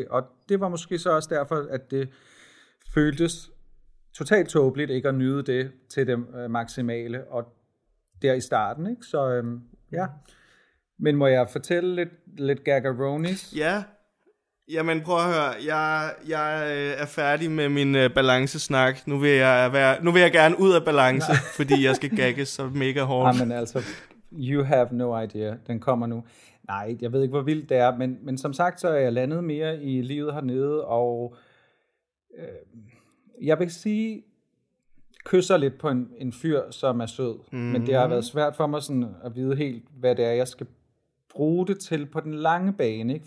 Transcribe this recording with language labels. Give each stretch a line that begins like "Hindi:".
Danish: Og det var måske så også derfor, at det føltes totalt tåbeligt ikke at nyde det til det maksimale, og der i starten, ikke? Så ja. Men må jeg fortælle lidt gaggeronis? Ja. Jamen prøv at høre, jeg er færdig med min balancesnak. Nu vil jeg gerne ud af balance, nej, fordi jeg skal gagges så mega hårdt. Jamen altså,
English: you have no idea.
Danish: Den kommer nu. Nej, jeg ved ikke, hvor vildt det er, men som sagt, så er jeg landet mere i livet hernede, og jeg vil sige, kysser lidt på en fyr, som er sød. Mm-hmm. Men det har været svært for mig sådan at vide helt, hvad det er, jeg skal bruge det til på den lange bane, ikke?